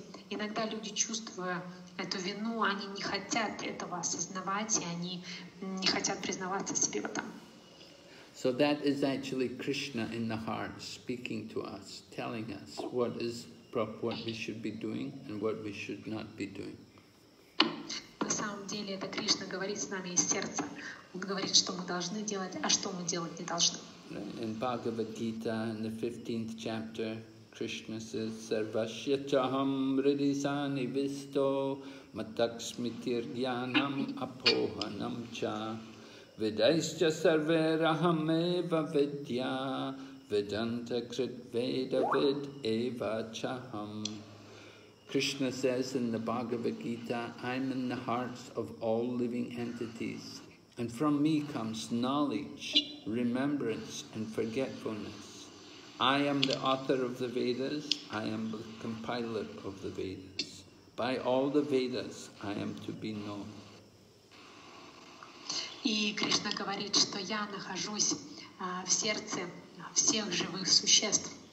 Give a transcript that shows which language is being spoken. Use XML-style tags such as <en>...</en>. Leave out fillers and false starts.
<ru>Иногда люди, чувствуя эту вину, они не хотят этого осознавать, и они не хотят признаваться себе в этом.</ru> <en>So that is actually Krishna in the heart speaking to us, telling us what we should be doing and what we should not be doing.</en> <ru>На самом деле это Кришна говорит с нами из сердца. Он говорит, что мы должны делать, а что мы делать не должны.</ru> <en>In Bhagavad Gita, in the 15th chapter, Krishna says,</en> <sa>Sarvasya Chaham Ridisani Visto Mataksmitir Jnanam Apohanam Cha Vidaischa Sarveraham Eva Vidya Vedanta Krit Veda Vid Eva Chaham.</sa> <en>Krishna says in the Bhagavad Gita, I'm in the hearts of all living entities, and from me comes knowledge, remembrance, and forgetfulness. I am the author of the Vedas, I am the compiler of the Vedas. By all the Vedas, I am to be known.</en> <ru>И Кришна говорит, что я нахожусь в сердце всех живых существ.</ru>